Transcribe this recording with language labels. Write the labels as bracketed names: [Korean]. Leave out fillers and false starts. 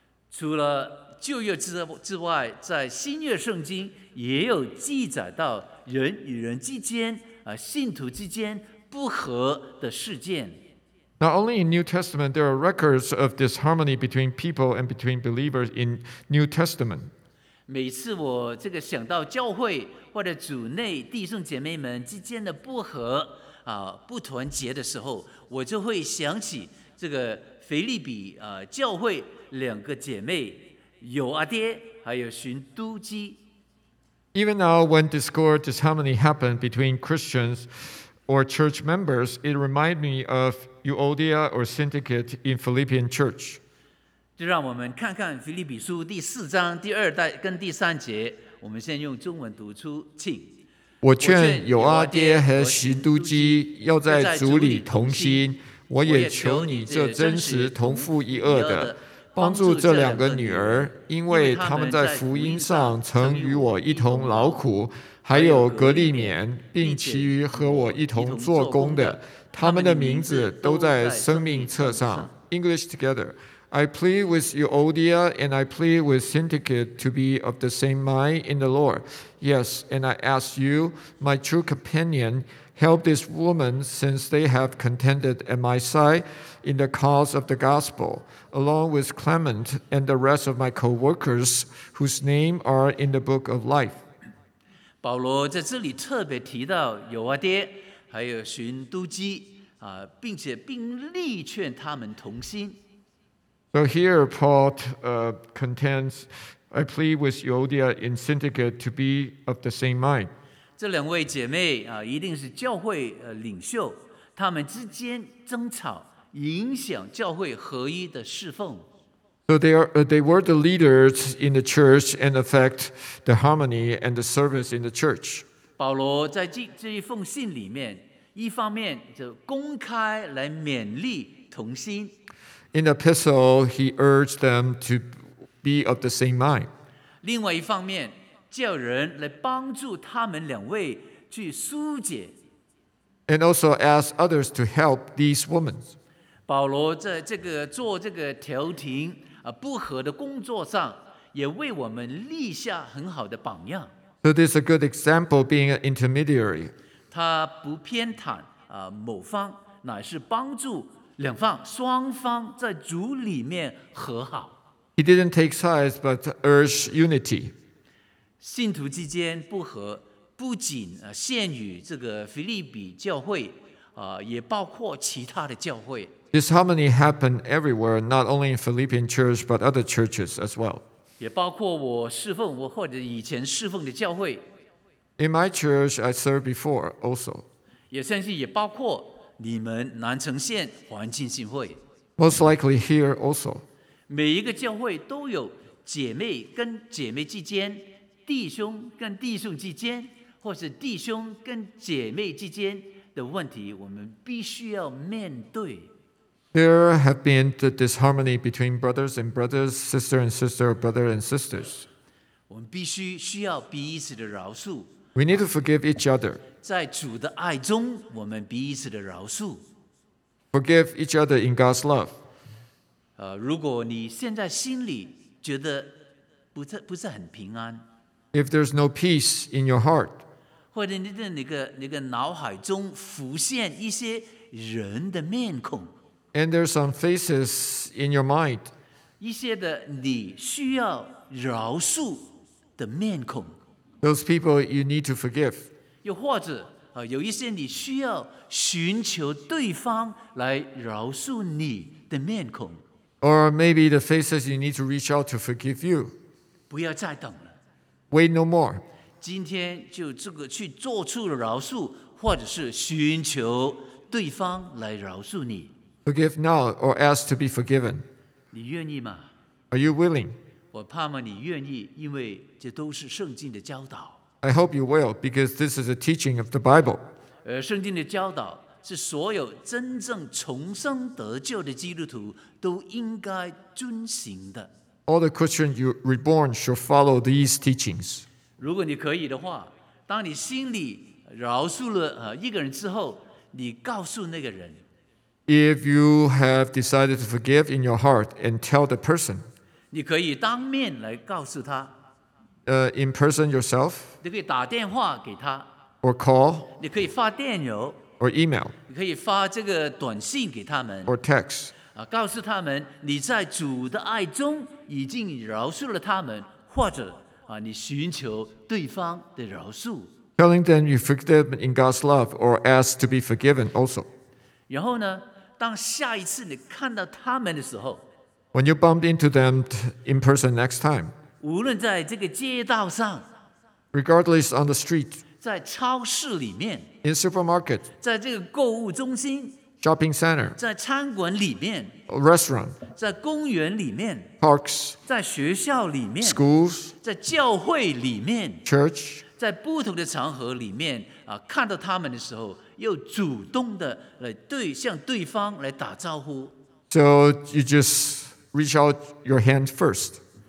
[Chinese] 除了旧约之外，在新约圣经也有记载到人与人之间信徒之间不和的事件。 [English] Not only in New Testament, there are records of disharmony between people and between believers in New Testament. [Chinese] 每次我这个想到教会或者主内弟兄姐妹们之间的不和、不团结的时候，我就会想起这个腓立比、教会两个姐妹有阿爹还有寻都基。 [English] Even now, when discord, disharmony happened between Christians or church members, it reminded me of Euodia or Syntyche in Philippian church. [Chinese] 就让我们看看腓立比书第四章第二代跟第三节，我们先用中文读出，请。我劝有阿爹和徐都基要在主里同心，我也求你这真实同父一轭的帮助这两个女儿，因为他们在福音上曾与我一同劳苦，还有格利勉，并其余和我一同做工的，他们的名字都在生命册上。 [English] English together. I plead with Euodia and I plead with Syntyche to be of the same mind in the Lord. Yes, and I ask you, my true companion, help this woman since they have contended at my side in the cause of the gospel, along with Clement and the rest of my co-workers whose name are in the book of life. [Chinese] 保罗在这里特别提到有阿爹还有寻都基、并且并力劝他们同心。 [English] So here Paul contends, I plead with Euodia and Syntyche to be of the same mind. [Chinese] 这两位姐妹、一定是教会、领袖，她们之间争吵影响教会合一的侍奉。 [English] So they were the leaders in the church and affect the harmony and the service in the church. [Chinese] 保罗在 这一封信里面，一方面就公开来勉励同心。 [English] In the epistle, he urged them to be of the same mind. [Chinese] 另外一方面，叫人来帮助他们两位去疏解。 [English] And also ask others to help these women. [Chinese] 保罗在这个做这个调停不和的工作上，也为我们立下很好的榜样。 [English] So this is a good example being an intermediary. [Chinese] 他不偏袒某方，乃是帮助两方双方在主里面和好。 [English] He didn't take sides but urge unity. [Chinese] 信徒之间不和，不仅限于这个腓立比教会，也包括其他的教会。 [English] Disharmony happened everywhere, not only in Philippian church, but other churches as well. [Chinese] 也包括我侍奉，我或者以前侍奉的教会。 [English] In my church, I served before also. [Chinese] 也甚至也包括你们南城县环境信会。 [English] Most likely here also. [Chinese] 每一个教会都有姐妹跟姐妹之间，弟兄跟弟兄之间，或是弟兄跟姐妹之间的问题，我们必须要面对。 [English] There have been the disharmony between brothers and brothers, sister and sister, brother and sisters. [Chinese] 我们必须需要彼此的饶恕。 [English] We need to forgive each other. [Chinese] 在主的爱中，我们彼此的饶恕。 [English] Forgive each other in God's love. [Chinese] 如果你现在心里觉得不是很平安。 [English] If there's no peace in your heart. [Chinese] 或者你的那个脑海中浮现一些人的面孔。 [English] And there are some faces in your mind. [Chinese] 一些的你需要饶恕的面孔。 [English] Those people you need to forgive. [Chinese] 又或者有一些你需要寻求对方来饶恕你的面孔。 [English] Or maybe the faces you need to reach out to forgive you. [Chinese] 不要再等了。 [English] Wait no more. [Chinese] 今天就这个去做出了饶恕，或者是寻求对方来饶恕你。 [English] Forgive now or ask to be forgiven. [Chinese] 你愿意吗？ [English] Are you willing? [Chinese] 我盼望你愿意，因为这都是圣经的教导。 [English] I hope you will, because this is a teaching of the Bible. [Chinese] 圣经的教导是所有真正重生得救的基督徒都应该遵循的。 [English] All the Christians you reborn should follow these teachings. [Chinese] 如果你可以的话，当你心里饶恕了一个人之后，你告诉那个人。 [English] If you have decided to forgive in your heart and tell the person, [Chinese] 你可以当面来告诉他, [English] in person yourself, [Chinese] 你可以打电话给他, [English] or call, [Chinese] 你可以发电邮, [English] or email, [Chinese] 你可以发这个短信给他们, [English] or text, [Chinese] 告诉他们你在主的爱中已经饶恕了他们, 或者, 你寻求对方的饶恕。 [English] Telling them you forgive them in God's love or ask to be forgiven also. [Chinese] 然后呢，当下一次你看到他们的时候， [English] When you bump into them in person next time, [Chinese] 无论在这个街道上， [English] regardless on the street, [Chinese] 在超市里面， [English] in supermarket, [Chinese] 在这个购物中心， [English] shopping center, [Chinese] 在餐馆里面， [English] restaurant, [Chinese] 在公园里面， [English] parks, [Chinese] 在学校里面， [English] schools, [Chinese] 在教会里面， [English] church, [Chinese] 在不同的场合里面、啊、看到他们的时候又主动的来对向对方来打招呼。 [English] So you just reach out your hand first.